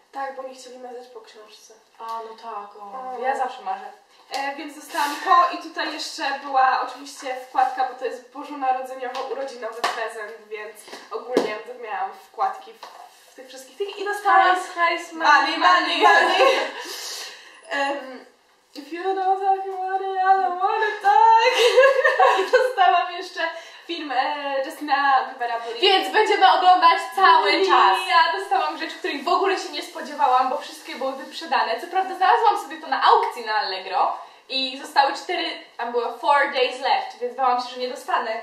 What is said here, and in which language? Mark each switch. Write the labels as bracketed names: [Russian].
[Polish] Tak, bo nie chcieli mazać po książce. A no tak, o. Ja zawsze marzę. Więc dostałam to i tutaj jeszcze była oczywiście wkładka, bo to jest bożonarodzeniowo-urodzinowy prezent, więc ogólnie miałam wkładki w tych wszystkich tych i dostałam... Hajs, hajs, money, [English] money, money! If you know that you want it, I don't want it, [Polish] tak! I dostałam jeszcze film Justina Biebera, więc będziemy oglądać cały czas! Ja dostałam rzecz, której w ogóle się nie spodziewałam, bo wszystkie były wyprzedane. Co prawda znalazłam sobie to na aukcji na Allegro i zostały cztery, tam było [English] 4 days left, [Polish] więc bałam się, że nie dostanę.